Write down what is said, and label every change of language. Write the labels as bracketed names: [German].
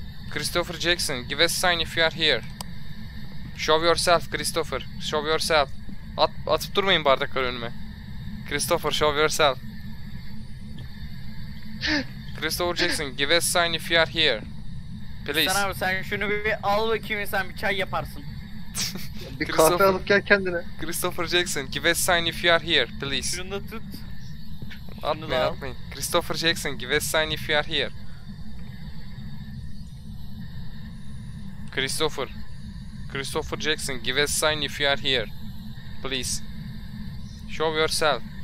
[English] Christopher Jackson, give us a sign if you are here. Show yourself Christopher, show yourself. [Turkish] Atıp durmayın bardakları önüme. [English] Christopher, show yourself. Christopher Jackson, give us a sign if you are here. Please. [Turkish] Sen abi sen şunu bir al bakayım sen bir çay yaparsın. Bir kahve alıp gel kendine. [English] Christopher Jackson, give us a sign if you are here. Please. [Turkish] Şunu da tut. Atmayın. [English] Christopher Jackson, give us a sign if you are here. Christopher. Christopher Jackson, give us a sign if you are here. Please. Show yourself.